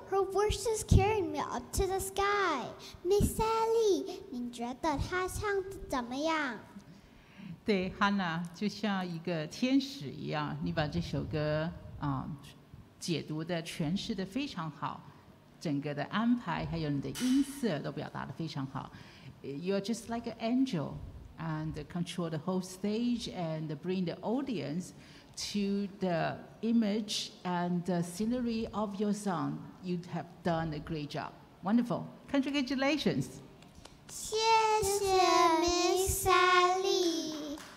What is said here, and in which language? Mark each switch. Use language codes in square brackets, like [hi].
[en] Her voice is carrying me up to the sky. [zh] Miss Sally, 您觉得她唱得怎么样？对 ，Hannah 就像一个天使一样，你把这首歌啊、解读的诠释的非常好，整个的安排还有你的音色都表达的非常好。 [en] You're just like an angel, and control the whole stage and bring the audience. To the image and the scenery of your song, you have done a great job. Wonderful. Congratulations. [zh] 谢谢 Miss Sally.